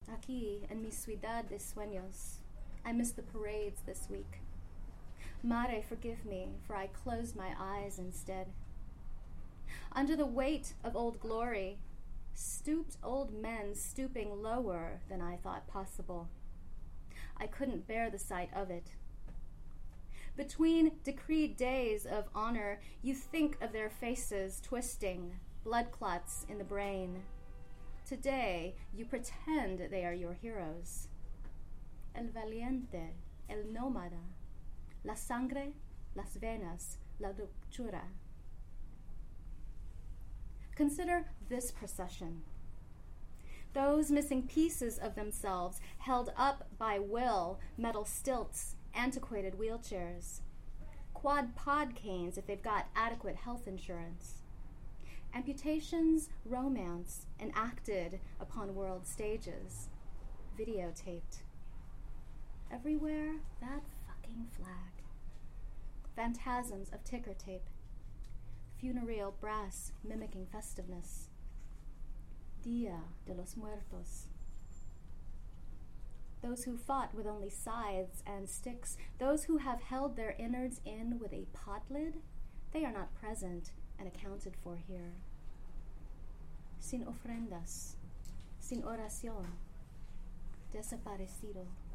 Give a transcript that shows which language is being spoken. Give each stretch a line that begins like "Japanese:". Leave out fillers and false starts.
Spanish: aquí en mi ciudad de sueños.
English: I missed the parades this week. Mare, forgive me, for I closed my eyes instead. Under the weight of old glory, stooped old men stooping lower than I thought possible. I couldn't bear the sight of it. Between decreed days of honor, you think of their faces twisting, blood clots in the brain. Today, you pretend they are your heroes.
Spanish: El valiente, el nómada, la sangre, las venas, la doctura.
English: Consider this procession. Those missing pieces of themselves held up by will, metal stilts, antiquated wheelchairs, quad pod canes if they've got adequate health insurance, amputations, romance, enacted upon world stages, videotaped. Everywhere, that fucking flag. Phantasms of ticker tape. Funereal brass mimicking festiveness. Día de los Muertos. Those who fought with only scythes and sticks, those who have held their innards in with a pot lid, they are not present and accounted for here.
Spanish: Sin ofrendas, sin oración, desaparecido.